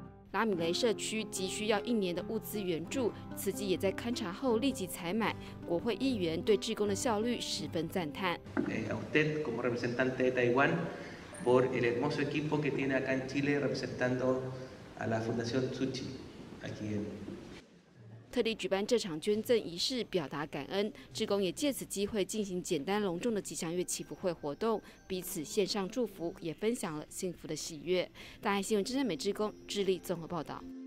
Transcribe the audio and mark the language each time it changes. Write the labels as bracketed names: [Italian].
[Chinese] 拉米雷社区急需要1年的物资援助，慈济也在勘查后立即采买。国会议员对志工的效率十分赞叹。 [Spanish] A usted como representante de Taiwán por el hermoso equipo que tiene acá en Chile representando a la Fundación Tsuchi aquí en。 [Chinese] 特地举办这场捐赠仪式表达感恩，志工也借此机会进行简单隆重的吉祥月祈福会活动，彼此献上祝福，也分享了幸福的喜悦。大爱新闻真善美志工致力综合报道。